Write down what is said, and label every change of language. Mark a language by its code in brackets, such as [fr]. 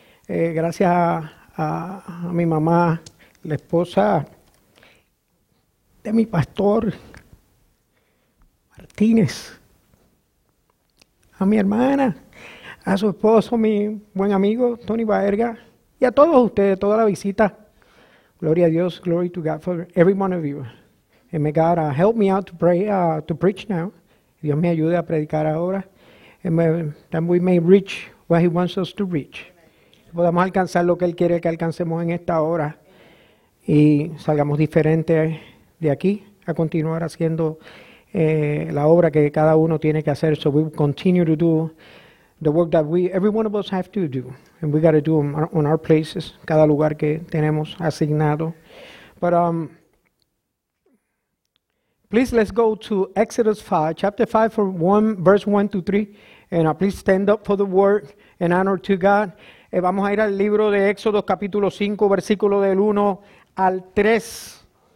[es] Gracias a mi mamá, la esposa de mi pastor Martínez, a mi hermana, a su esposo, mi buen amigo Tony Baerga, y a todos ustedes, toda la visita. Gloria a Dios, [en] glory to God for every one of you. And may God help me out to pray to preach now. [es] Dios me ayude a predicar ahora. [en] And then we may reach what he wants us to reach. Amen. [es] Podamos alcanzar lo que él quiere que alcancemos en esta hora. Amen. Y salgamos diferentes de aquí a continuar haciendo la obra que cada uno tiene que hacer. [en] So we will continue to do the work that every one of us have to do. And we got to do them on our places, [es] cada lugar que tenemos asignado. [en] But please, let's go to Exodus 5, chapter 5, for one, verse 1 to 3. And please stand up for the word and honor to God. [es] Vamos a ir al libro de Éxodo, capítulo 5, versículo del 1 al 3.